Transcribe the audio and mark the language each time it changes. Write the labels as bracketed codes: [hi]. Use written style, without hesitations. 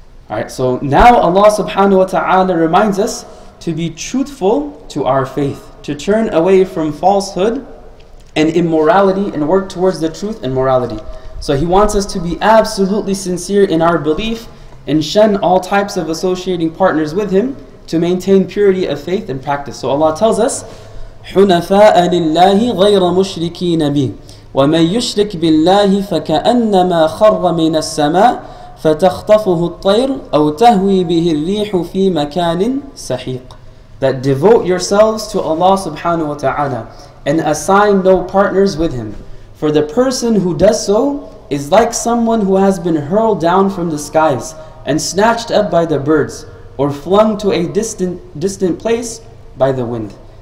[en] Alright, so now Allah subhanahu wa ta'ala reminds us to be truthful to our faith, to turn away from falsehood and immorality and work towards the truth and morality. So he wants us to be absolutely sincere in our belief and shun all types of associating partners with him to maintain purity of faith and practice. So Allah tells us, [ar] حُنَفَاءَ لِلَّهِ غَيْرَ مُشْرِكِينَ بِهِ وَمَنْ يُشْرِكْ بِاللَّهِ فَكَأَنَّمَا خَرَّ مِنَ السَّمَاءِ فَتَخْطَفُهُ الطَّيْرُ أَوْ تَهْوِي بِهِ الرِّيحُ فِي مَكَانٍ سَحِيقٍ. [en] That devote yourselves to Allah subhanahu wa ta'ala and assign no partners with Him. For the person who does so is like someone who has been hurled down from the skies and snatched up by the birds or flung to a distant place by the wind.